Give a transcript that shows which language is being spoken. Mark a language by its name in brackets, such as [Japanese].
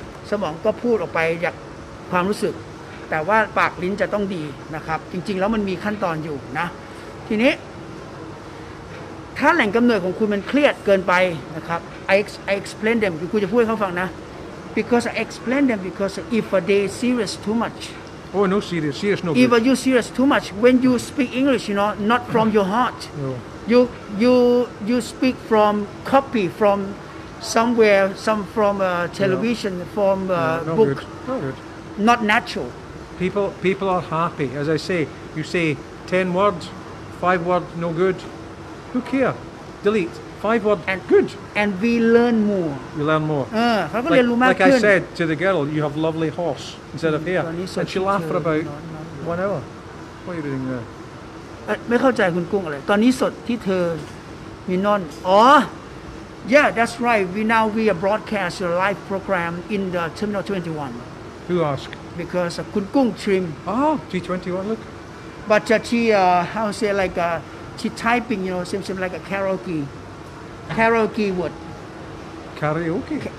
[Thai] สมองก็พูดออกไปจากความรู้สึกแต่ว่าปากลิ้นจะต้องดีนะครับจริงๆแล้วมันมีขั้นตอนอยู่นะทีนี้ถ้าแหล่งกำเนิดของคุณมันเครียดเกินไปนะครับ [English] I explain them [Thai] คุณจะพูดให้เขาฟังนะ because [English] I explain them because if they serious too much oh no serious no if you serious too much when you speak English you know not from your heart no. you speak from copy from somewhere some from television no. from no, book not natural People are happy, as I say. You say 10 words, 5 words, no good. Who care? Delete. 5 words, and, good. And we learn more. We learn more. Like I said to the girl, you have lovely horse instead of hair. And she laughed for about 1 hour. What are you doing there? [Thai] ไม่เข้าใจคุณกุ้งอะไรตอนนี้สดที่เธอมีนอนอ๋อ [English] Yeah, that's right. We are broadcast a live program in the Terminal 21. Who asked? Because Kun Kung Trim. Oh, G21, look. But she, how to say, like, she typing, you know, seems like a karaoke. Karaoke word. Karaoke?